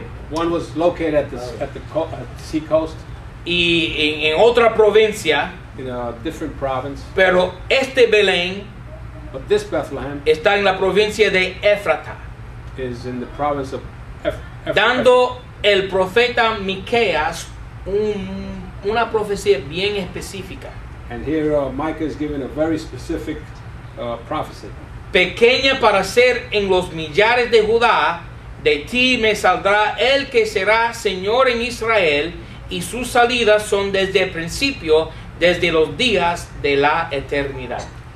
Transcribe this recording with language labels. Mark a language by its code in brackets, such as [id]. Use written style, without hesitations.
[en] One was located at the sea coast. [es] Y en otra provincia. [en] In a different province. [es] Pero este Belén. [en] But this Bethlehem [es] está en la provincia de Efrata. [en] Is in the province of [es] dando el profeta Miqueas una profecía bien específica. [en] And here Micah is giving a very specific prophecy. [es] Pequeña para ser en los millares de Judá, de ti me saldrá el que será señor en Israel, y sus salidas son desde el principio, desde los días de la eternidad.